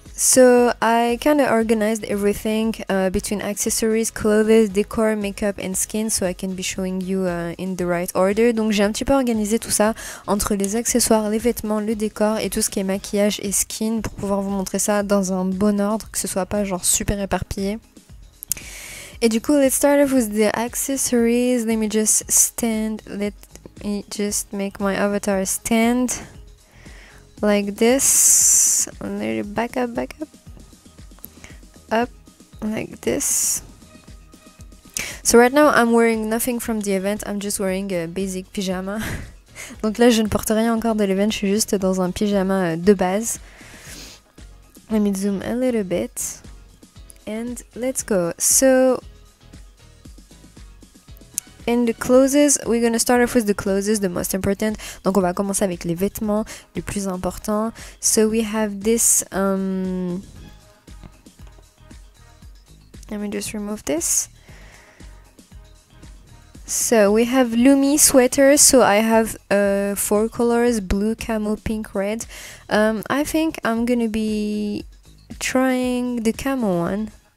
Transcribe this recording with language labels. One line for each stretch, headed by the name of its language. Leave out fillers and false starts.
English: So I kind of organized everything between accessories, clothes, decor, makeup and skin, so I can be showing you in the right order.
French: Donc j'ai un petit peu organisé tout ça entre les accessoires, les vêtements, le décor et tout ce qui est maquillage et skin pour pouvoir vous montrer ça dans un bon ordre, que ce soit pas genre super éparpillé. Et du coup,
English: let's start off with the accessories. Let me just stand, let me just make my avatar stand. Like this, little back up, up, like this. So right now I'm wearing nothing from the event, I'm just wearing a basic pyjama.
French: Donc là je ne porte rien encore de l'event, je suis juste dans un pyjama de base.
English: Let me zoom a little bit, and let's go. So, in the clothes, we're gonna start off with the clothes, the most important.
French: Donc on va commencer avec les vêtements, le plus important.
English: So we have this, let me just remove this. So we have Lumi sweater. So I have four colors, blue, camo, pink, red. I think I'm gonna be trying the camo one.